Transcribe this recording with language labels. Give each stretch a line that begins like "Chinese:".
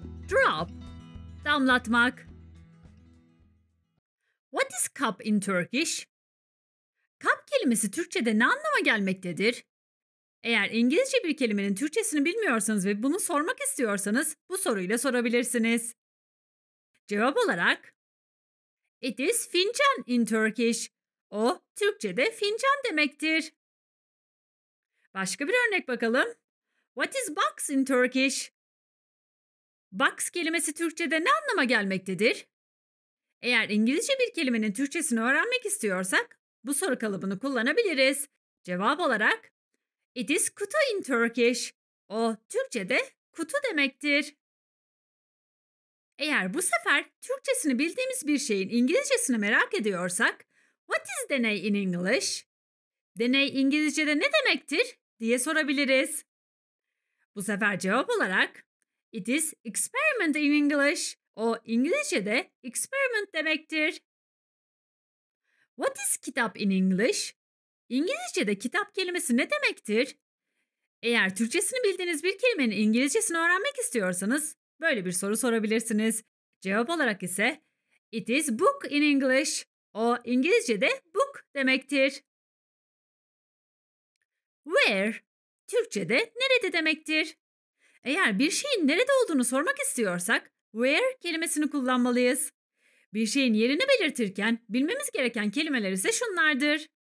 Turkish: Drop, damlatmak.
English: What is cup in Turkish?
Turkish: Cup kelimesi Türkçe'de ne anlama gelmektedir? Eğer İngilizce bir kelimenin Türkçesini bilmiyorsanız ve bunu sormak istiyorsanız bu soruyla sorabilirsiniz. Cevap olarak,
English: it is fincan in Turkish.
Turkish: O, Türkçe'de fincan demektir. Başka bir örnek bakalım.
English: What is box in Turkish?
Turkish: Box kelimesi Türkçe'de ne anlama gelmektedir? Eğer İngilizce bir kelimenin Türkçesini öğrenmek istiyorsak, bu soru kalıbını kullanabiliriz. Cevap olarak,
English: it is kutu in Turkish.
Turkish: O, Türkçe'de kutu demektir. Eğer bu sefer Türkçesini bildiğimiz bir şeyin İngilizcesini merak ediyorsak,
English: what is deney in English?
Turkish: Deney İngilizce'de ne demektir diye sorabiliriz. Bu sefer cevap olarak
English: It is experiment in English.
Turkish: O İngilizce'de experiment demektir.
English: What is kitap in English?
Turkish: İngilizce'de kitap kelimesi ne demektir? Eğer Türkçesini bildiğiniz bir kelimenin İngilizcesini öğrenmek istiyorsanız böyle bir soru sorabilirsiniz. Cevap olarak ise
English: It is book in English.
Turkish: O İngilizce'de book demektir. Where? Türkçe'de nerede demektir? Eğer bir şeyin nerede olduğunu sormak istiyorsak where kelimesini kullanmalıyız. Bir şeyin yerini belirtirken bilmemiz gereken kelimeler ise şunlardır.